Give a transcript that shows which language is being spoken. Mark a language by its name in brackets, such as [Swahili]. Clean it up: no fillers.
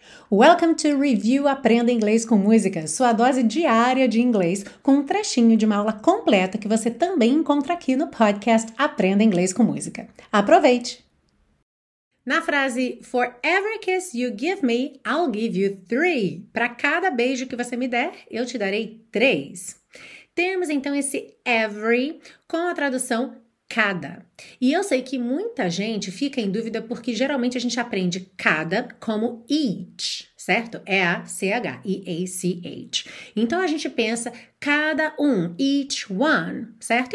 [English] Welcome to [Portuguese] Review Aprenda Inglês com Música, sua dose diária de inglês, com um trechinho de uma aula completa que você também encontra aqui no podcast Aprenda Inglês com Música. Aproveite! Na frase, [English] for every kiss you give me, I'll give you three. [Portuguese] Para cada beijo que você me der, eu te darei três. Temos então esse every com a tradução cada. E eu sei que muita gente fica em dúvida porque geralmente a gente aprende cada como each, certo? É a C-H, E-A-C-H. Então a gente pensa cada um, [English] each one, [Portuguese] certo?